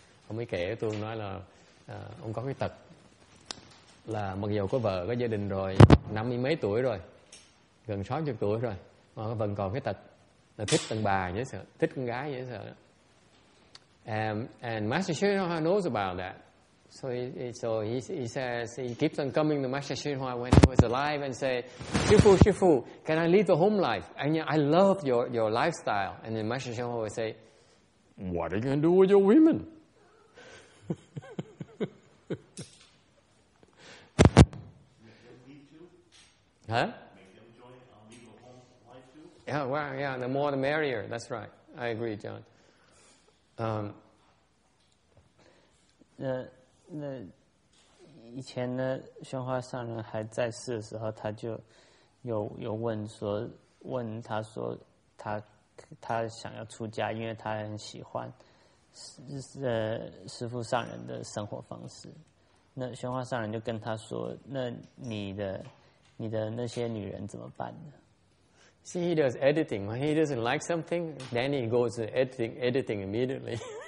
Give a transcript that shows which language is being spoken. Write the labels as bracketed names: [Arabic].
[Vietnamese] Ông mới kể với tôi, nói là ông có cái tật là mặc dù có vợ có gia đình rồi, năm mươi mấy tuổi rồi, gần 60 tuổi rồi, mà vẫn còn cái tật là thích đàn bà dễ sợ, thích con gái dễ sợ. And Master Shen Hua knows about that. [English] So, he says, he keeps on coming to Master Shinhua when he was alive and say, Shifu, Shifu, can I lead the home life? And I love your lifestyle. And then Master Shinhua would say, what are you going to do with your women? Make them join and lead the home life too? Yeah, well, yeah, the more the merrier. That's right. I agree, John. [Chinese] 那以前呢，宣化上人还在世的时候，他就有问他说他想要出家，因为他很喜欢师父上人的生活方式。那宣化上人就跟他说：“那你的那些女人怎么办呢？” [English] See, he does editing. When he doesn't like something, then he goes to editing immediately.